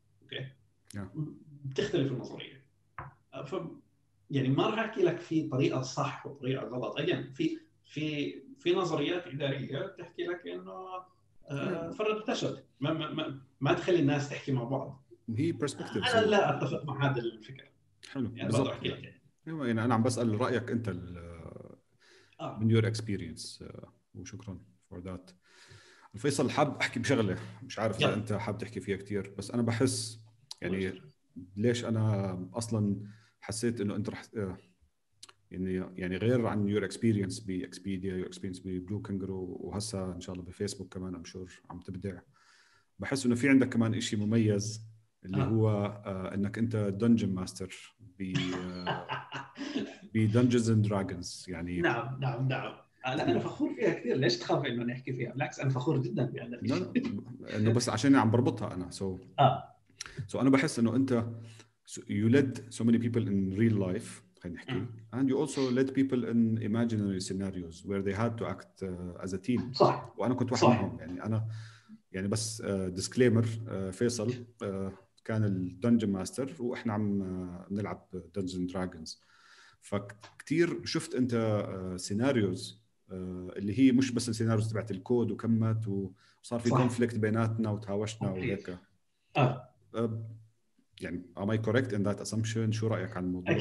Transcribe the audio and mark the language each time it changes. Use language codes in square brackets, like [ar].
[ar] أوكي بتختلف النظرية. يعني ما راح أحكي لك في طريقة صح وطريقة غلط. أيًا في نظريات إدارية تحكي لك إنه فرد تشد ما تخلي الناس تحكي مع بعض. هي برسبكتيف. أنا لا أتفق مع هذا الفكرة. حلو. يعني بالضبط. أحكي لك. يعني أنا عم بسأل رأيك أنت. من [en] your experience [ar] وشكرا [en] for that. [ar] الفيصل حاب أحكي بشغلة مش عارف إذا أنت حاب تحكي فيها كتير بس أنا بحس يعني ليش أنا أصلا حسيت إنه أنت رح يعني غير عن [en] your experience [ar] ب Expedia your experience ب Blue Kangaroo وهسا إن شاء الله بفيسبوك كمان [en] I'm sure [ar] عم تبدع بحس إنه في عندك كمان إشي مميز اللي هو إنك أنت Dungeon Master ب Dungeons and Dragons يعني نعم أنا فخور فيها كثير ليش تخاف إنه نحكي فيها بالعكس أنا فخور جدا بهذا إنه بس عشان عم بربطها أنا سو سو أنا بحس إنه أنت [en] you led so many people in real life [ar] خلينا نحكي [en] and you also led people in imaginary scenarios where they had to act as a team [ar] صح وأنا كنت واحد منهم يعني أنا يعني بس disclaimer فيصل كان الدنجن ماستر وإحنا عم نلعب Dungeons and Dragons فكتير شفت أنت سيناريوز اللي هي مش بس السيناريوز تبعت الكود وكمت وصار في كونفليكت بيناتنا وتهاوشنا وهيك يعني [en] am I correct in that assumption [ar] شو رأيك عن الموضوع